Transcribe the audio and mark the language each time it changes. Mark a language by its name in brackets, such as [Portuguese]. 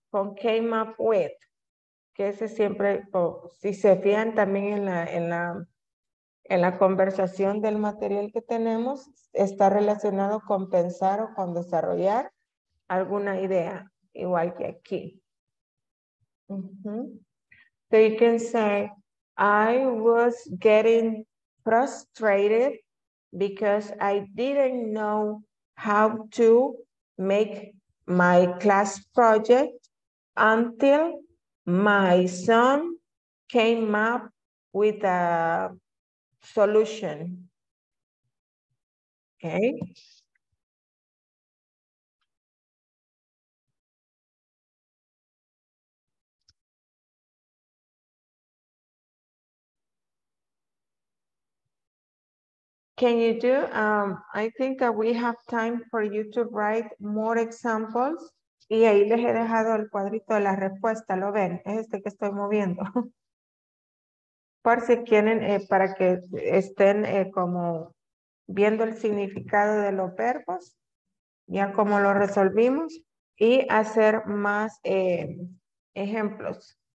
[Spanish] con [English] came up with, [Spanish] que ese siempre, oh, si se fijan también en la, en la, en la conversación del material que tenemos, está relacionado con pensar o con desarrollar alguna idea, igual que aquí. [English] So you can say, I was getting frustrated because I didn't know how to make my class project until my son came up with a solution. Okay. Can you do, I think that we have time for you to write more examples. [Spanish] Y ahí les he dejado el cuadrito de la respuesta, ¿lo ven? Es este que estoy moviendo. Por si quieren, para que estén como viendo el significado de los verbos, ya como lo resolvimos, y hacer más ejemplos.